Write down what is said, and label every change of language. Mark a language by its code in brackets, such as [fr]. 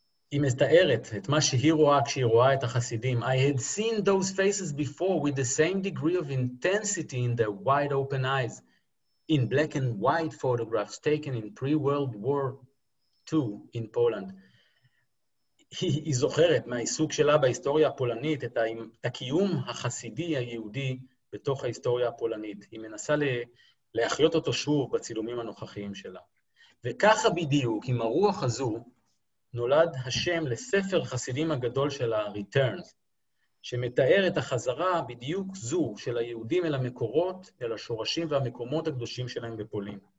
[he] היא מתארת את מה שהיא רואה כשהיא רואה את החסידים. [en] I had seen those faces before with the same degree of intensity in their wide open eyes, in black and white photographs taken in pre-World War too in Poland. [he] היא זוכרת מהעיסוק שלה בהיסטוריה הפולנית את הקיום החסידי היהודי בתוך ההיסטוריה הפולנית. היא מנסה להחיות אותו שוב בצילומים הנוכחיים שלה. וככה בדיוק, עם הרוח הזו, נולד השם לספר חסידים הגדול של ה-Returns, שמתאר את החזרה בדיוק זו של היהודים אל המקורות, אל השורשים והמקומות הקדושים שלהם בפולין.